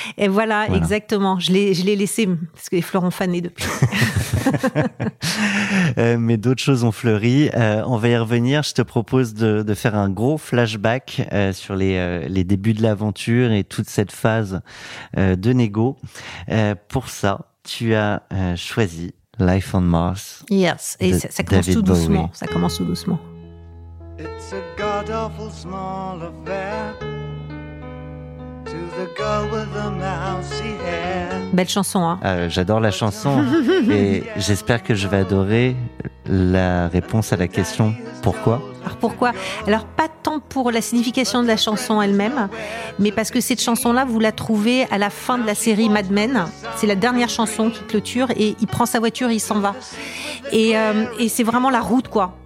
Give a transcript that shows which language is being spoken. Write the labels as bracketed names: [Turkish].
[French] Et voilà, exactement, je l'ai laissé, parce que les fleurs ont fané depuis. mais d'autres choses ont fleuri, on va y revenir, je te propose de faire un gros flashback sur les débuts de l'aventure et toute cette phase de négo. Pour ça, tu as choisi Life on Mars. Yes, et ça commence tout doucement. Ça commence tout doucement. [English] It's a god-awful small affair to the girl with the mousy hair. [French] Belle chanson, hein. J'adore la chanson. Et j'espère que je vais adorer la réponse à la question pourquoi. Alors pourquoi ? Alors pas tant pour la signification de la chanson elle-même, mais parce que cette chanson-là, vous la trouvez à la fin de la série Mad Men. C'est la dernière chanson qui clôture et il prend sa voiture et il s'en va. Et c'est vraiment la route, quoi.